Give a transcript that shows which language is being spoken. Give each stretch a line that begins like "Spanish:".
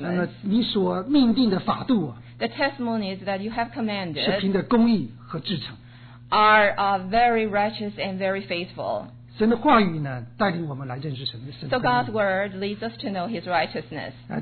Chinese: 那么你所命定的法度啊,
English: the testimonies that you have commanded
Chinese: 是凭着公义和至诚。
English: Are very righteous and very faithful.
Chinese: 神的话语呢, 带领我们来认识神的神的公义。
English: So God's word leads us to know His righteousness.